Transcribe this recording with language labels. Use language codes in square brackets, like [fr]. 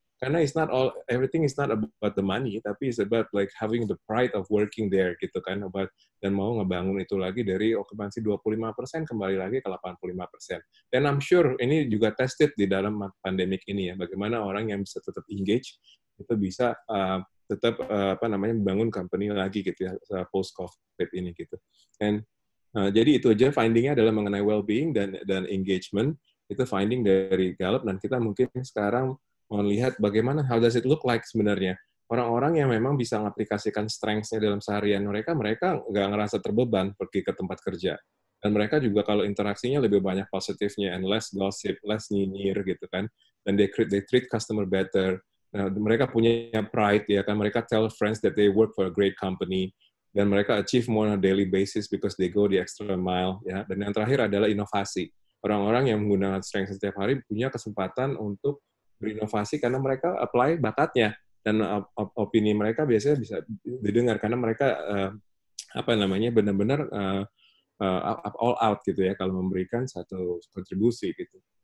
[id] Karena [en] it's not all, everything is not about the money, [id] tapi [en] it's about like having the pride of working there, [id] gitu kan. About, dan mau ngebangun itu lagi dari okupansi 25% kembali lagi ke 85%. Dan I'm sure ini juga tested di dalam pandemik ini ya, bagaimana orang yang bisa tetap engage, itu bisa tetap apa namanya membangun company lagi gitu ya, post-COVID ini gitu. [en] And [id] jadi itu aja findingnya adalah mengenai well-being dan engagement, itu finding dari Gallup, dan kita mungkin sekarang mau lihat bagaimana, [en] how does it look like [id] sebenarnya. Orang-orang yang memang bisa mengaplikasikan strengths-nya dalam seharian mereka nggak ngerasa terbeban pergi ke tempat kerja. Dan mereka juga kalau interaksinya lebih banyak positifnya [en] and less gossip, less [id] nyinyir gitu kan. Dan [en] they treat customer better. [id] Nah, mereka punya pride, ya kan. Mereka [en] tell friends that they work for a great company. [id] Dan mereka [en] achieve more on a daily basis because they go the extra mile. [id] Ya. Dan yang terakhir adalah inovasi. Orang-orang yang menggunakan strengths setiap hari punya kesempatan untuk berinovasi karena mereka apply bakatnya dan opini mereka biasanya bisa didengar karena mereka benar-benar [en] all out [id] gitu ya kalau memberikan satu kontribusi gitu.